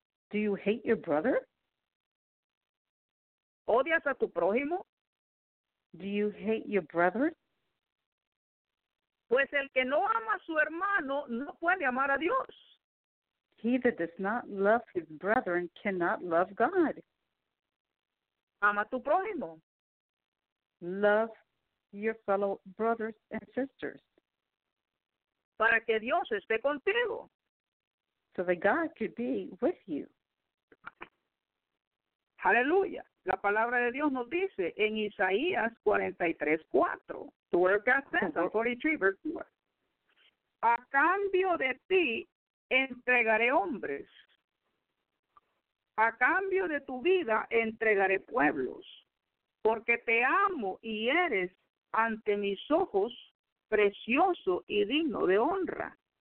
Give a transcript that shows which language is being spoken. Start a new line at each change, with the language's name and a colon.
English: Do you hate your brother?
Spanish: ¿Odias a tu prójimo?
English: Do you hate your brother?
Spanish: Pues el que no ama a su hermano no puede amar a Dios.
English: He that does not love his brethren cannot love God.
Spanish: Ama a tu prójimo.
English: Love your fellow brothers and sisters.
Spanish: Para que Dios esté contigo.
English: So that God could be with you.
Spanish: Aleluya. La palabra de Dios nos dice en Isaías 43:4.
English: The word of God says, Psalm 43, verse 4.
Spanish: A cambio de ti entregaré hombres. A cambio de tu vida entregaré pueblos. Porque te amo y eres ante mis ojos precioso y digno de honra.